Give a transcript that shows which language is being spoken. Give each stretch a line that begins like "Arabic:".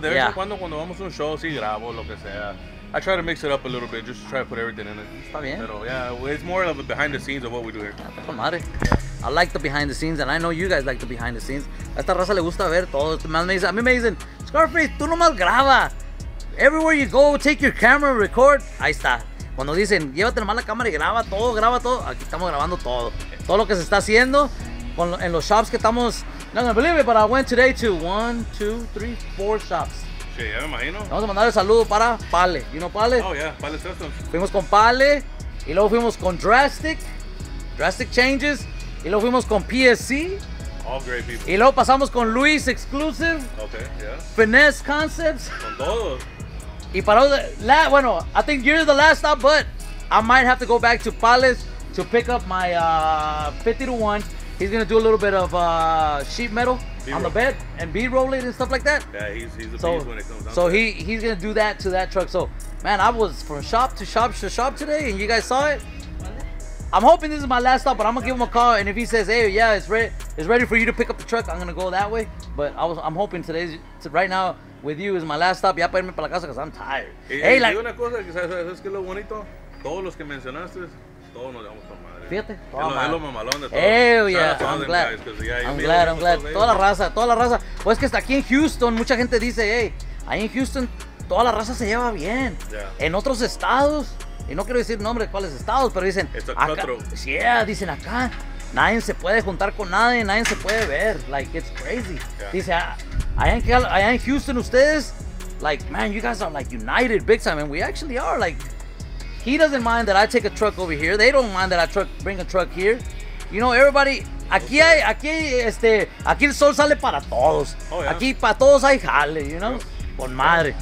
Spanish: De vez en cuando vamos a un show, sí grabo, lo que sea.
English: I try to mix it up a little bit, just to try to put everything in it.
Spanish: Está bien.
English: Pero, yeah, it's more of a behind the scenes of what we do here.
Spanish: Está con madre.
English: Yeah. I like the behind the scenes, and I know you guys like the behind the scenes.
Spanish: A esta raza le gusta ver todo.
English: Amazing. Scarface,
Spanish: tú nomás graba.
English: Everywhere you go, take your camera and record.
Spanish: Ahí está. Cuando dicen, llévate nomás la cámara y graba todo, graba todo. Aquí estamos grabando todo. Todo lo que se está haciendo con, en los shops que estamos.
English: No, no, believe it, but I went today to 1, 2, 3, 4 shops.
Spanish: Sí, ya me imagino. Vamos a mandar el saludo para Pale.
English: You know Pale? Oh, yeah. Pale Systems.
Spanish: Fuimos con Pale. Y luego fuimos con Drastic. Drastic Changes. Y luego fuimos con PSC.
English: All great people.
Spanish: Y luego pasamos con Luis Exclusive.
English: Okay, yeah. Finesse Concepts.
Spanish: Con todos. Y para la, bueno,
English: I think you're the last stop, but I might have to go back to Pales to pick up my 50-1. He's going to do a little bit of sheet metal B-roll on the bed and B-roll it and stuff like that. Yeah, he's a so, beast when it comes out. So he's going to do that to that truck. So, man, I was from shop to shop to shop today, and you guys saw it. I'm hoping this is my last stop, but I'm gonna give him a call, and if he says, "Hey, yeah, it's ready for you to pick up the truck," I'm gonna go that way. But I'm hoping today's right now with you is my last stop.
Spanish: Ya para irme para la casa,
English: cause I'm tired. Hey, like.
Spanish: Una cosa que sabes que lo bonito, todos los que mencionaste, todos nos llevamos con madre. Fíjate. Es lo mamalón de todo.
English: Hell yeah, I'm glad.
Spanish: Toda la raza. Pues que está aquí en Houston, mucha gente dice, hey, ahí en Houston toda la raza se lleva bien.
English: Yeah.
Spanish: En otros estados. Y no quiero decir nombres de cuáles estados, pero dicen... Esto es cuatro. Yeah, dicen acá. Nadie se puede juntar con nadie, nadie se puede ver.
English: Like, it's crazy. Yeah.
Spanish: Dice, allá en Houston, ustedes...
English: Like, man, you guys are like united big time. And we actually are. Like, he doesn't mind that I take a truck over here. They don't mind that bring a truck here. You know, everybody...
Spanish: Aquí hay... Aquí el sol sale para todos.
English: Oh, yeah.
Spanish: Aquí para todos hay jale,
English: you know? Yeah.
Spanish: Con madre.